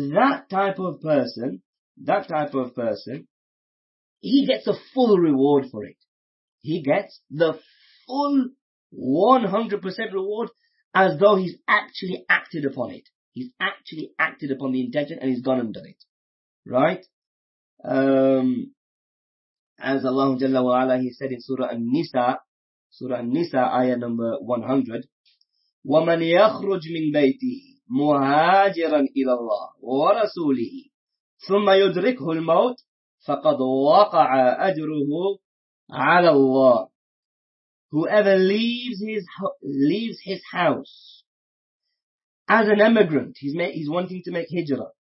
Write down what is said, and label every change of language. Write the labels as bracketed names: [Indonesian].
[English] That type of person, he gets a full reward for it. He gets the full 100% reward as though he's actually acted upon it. He's actually acted upon the intention and he's gone and done it. Right? As Allah Jalla wa Ala, he said in Surah An-Nisa, ayah number 100, [Arabic] وَمَنْ يَخْرُجْ مِنْ بَيْتِهِ مُهَاجِرًا إِلَى اللَّهِ وَرَسُولِهِ ثُمَّ يُدْرِكْهُ الْمَوْتِ فَقَدْ وَقَعَ أَجْرُهُ عَلَى اللَّهِ. [English] Whoever leaves his house as an emigrant, he's wanting to make hijrah.